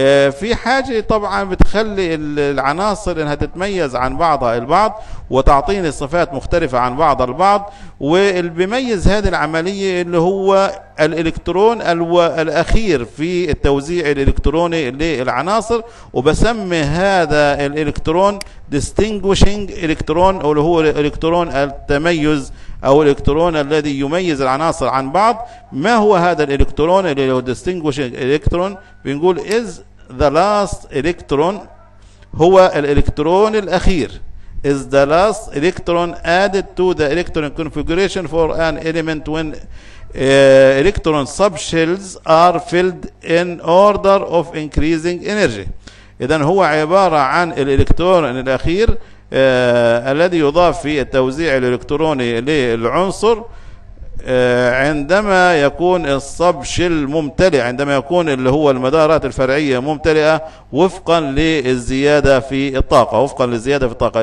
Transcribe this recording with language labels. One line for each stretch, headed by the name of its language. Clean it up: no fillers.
Arabic: في حاجة طبعا بتخلي العناصر انها تتميز عن بعضها البعض وتعطيني صفات مختلفة عن بعض البعض، والبيميز هذه العملية اللي هو الالكترون الاخير في التوزيع الالكتروني للعناصر، وبسمي هذا الالكترون
English: distinguishing electron
Arabic: اللي هو الالكترون التميز او الالكترون الذي يميز العناصر عن بعض. ما هو هذا الالكترون اللي هو
English: distinguishing electron؟
Arabic: بنقول
English: is the last electron،
Arabic: هو الالكترون الاخير،
English: is the last electron added to the electron configuration for an element when electron subshells are filled in order of increasing energy.
Arabic: اذا هو عبارة عن الالكترون الاخير الذي يضاف في التوزيع الالكتروني للعنصر عندما يكون الصبشل ممتلئ، عندما يكون اللي هو المدارات الفرعية ممتلئة وفقا للزيادة في الطاقة، وفقا للزيادة في الطاقة.